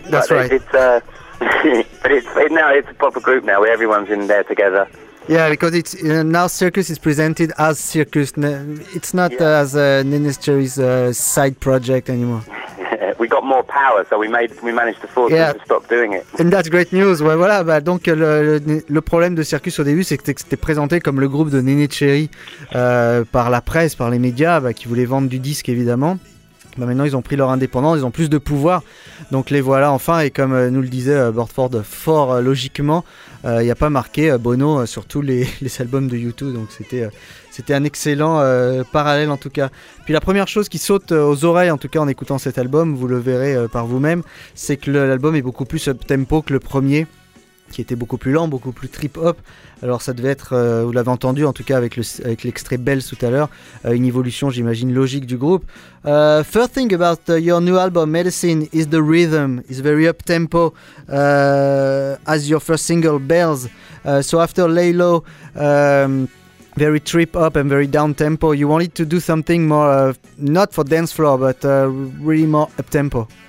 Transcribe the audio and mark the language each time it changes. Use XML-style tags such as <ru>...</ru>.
<en>That's but right. It's a proper group now. Everyone's in there together. Yeah, because it's now Circus is presented as Circus. It's not as Nene's Cherry's side project anymore. We got more power, so we managed to force them to stop doing it. And that's great news.</en> <fr>Ouais, voilà. Bah, donc le problème de Circus au début, c'est que c'était présenté comme le groupe de Nene Cherry par la presse, par les médias, bah, qui voulaient vendre du disque, évidemment. Bah, maintenant, ils ont pris leur indépendance, ils ont plus de pouvoir. Donc les voilà enfin. Et comme nous le disait Bert Ford, fort logiquement, il n'y a pas marqué Bono sur tous les albums de U2. Donc c'était un excellent parallèle en tout cas. Puis la première chose qui saute aux oreilles en tout cas en écoutant cet album, vous le verrez par vous-même, c'est que l'album est beaucoup plus up-tempo que le premier. qui était beaucoup plus lent, beaucoup plus trip-hop. Alors ça devait être, vous l'avez entendu en tout cas avec, avec l'extrait Bells tout à l'heure, une évolution j'imagine logique du groupe.</fr> <en>First thing about your new album, Medicine, is the rhythm, is very up-tempo as your first single, Bells. So after Lay Low, very trip-up and very down-tempo, you wanted to do something more, not for dance floor, but really more up-tempo.</en>